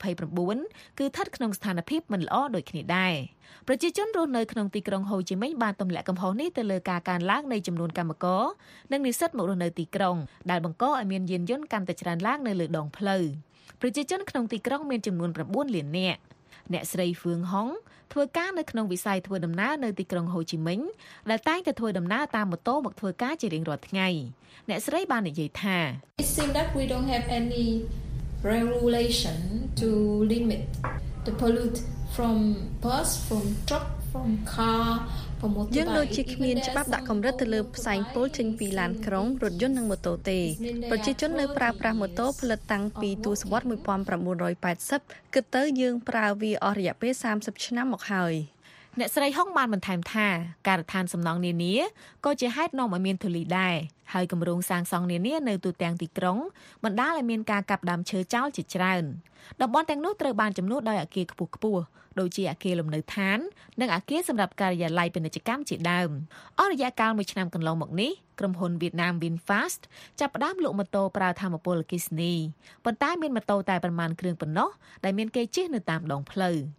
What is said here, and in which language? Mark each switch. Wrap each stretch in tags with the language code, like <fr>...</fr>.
<km>129គឺស្ថិតក្នុងស្ថានភាពមិនល្អដូចគ្នាដែរប្រជាជនរស់នៅក្នុងទីក្រុងហូជីមិញបានទម្លាក់កំហុសនេះទៅលើការកើនឡើងនៃចំនួនកម្មករនិងនិស្សិតមករស់នៅទីក្រុងដែលបង្កឲ្យមានយានយន្តកាន់តែច្រើនឡើងនៅលើដងផ្លូវប្រជាជនក្នុងទីក្រុងមានចំនួន9លាននាក់អ្នកស្រីហ្វឿងហុងធ្វើការនៅក្នុងវិស័យធ្វើដំណើរនៅទីក្រុងហូជីមិញដែលតែងតែធ្វើដំណើរតាមម៉ូតូមកធ្វើការជារៀងរាល់ថ្ងៃអ្នកស្រីបាននិយាយថា</km> <en>It seems that we don't have any regulation to limit the pollute from bus, from truck, from car, from motorbike.</en> <km>យើងដូចជាគ្មានច្បាប់ដាក់កម្រិតទៅលើផ្សែងពុលចេញពីឡានក្រុងរថយន្តនិងម៉ូតូទេប្រជាជននៅប្រើប្រាស់ម៉ូតូផលិតតាំងពីទសវត្ស1980គិតទៅយើងប្រើវាអស់រយៈពេល30ឆ្នាំមកហើយ អ្នកស្រីហុងបានបន្ថែមថាការដ្ឋានសំណង់នានាក៏ជាហេតុនាំឲ្យមានធូលីដែរហើយគម្រោងសាងសង់នានានៅទូទាំងទីក្រុងបណ្ដាលឲ្យមានការកាប់ដើមឈើចោលជាច្រើនតំបន់ទាំងនោះត្រូវបានជំនួសដោយអគារខ្ពស់ៗដូចជាអគារលំនៅឋាននិងអគារសម្រាប់ការិយាល័យពាណិជ្ជកម្មជាដើមអរិយាកាលមួយឆ្នាំកន្លងមកនេះក្រុមហ៊ុនវៀតណាម VinFast ចាប់ផ្ដើមលក់ម៉ូតូប្រើថាមពលអគ្គិសនីប៉ុន្តែមានម៉ូតូតែប្រមាណគ្រឿងប៉ុណ្ណោះដែលមានគេជិះនៅតាមដងផ្លូវ</km>